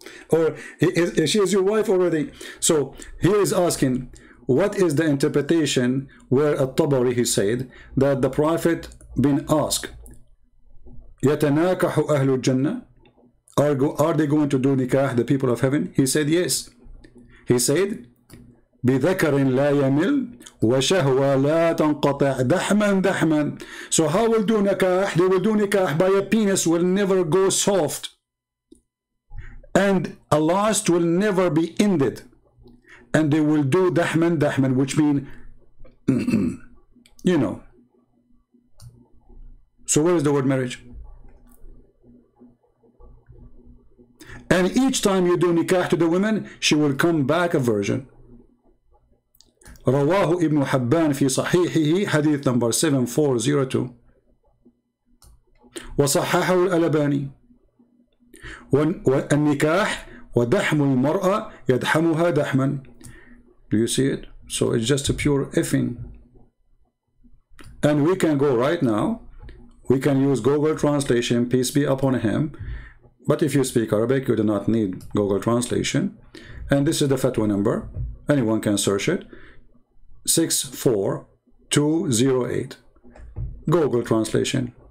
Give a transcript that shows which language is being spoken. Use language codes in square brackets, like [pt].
[en] Or she is your wife already. So he is asking, what is the interpretation where At-Tabari, he said, that the Prophet been asked, [ar] يتناكح أهل الجنة [en] Are they going to do nikah, the people of heaven? He said yes. [ar] He said, بِذَكَرٍ لَا يَمِلْ وَشَهْوَ لَا تَنْقَطَعْ دَحْمًا دَحْمًا. [en] So how will do nikah? They will do nikah by a penis will never go soft. And a lust will never be ended. And they will do dahman dahman, which means, you know. So where is the word marriage? And each time you do nikah to the woman, she will come back a virgin. [ar] رواه ابن حبان في صحيحه حديث number 7402 وصححه الألباني والنكاح ودحم المرأة يدحمها دحما. [en] Do you see it? So it's just a pure effing. And we can go right now. We can use Google Translation. Peace be upon him. But if you speak Arabic, you do not need Google Translation. And this is the fatwa number. Anyone can search it. 64208. Google Translation.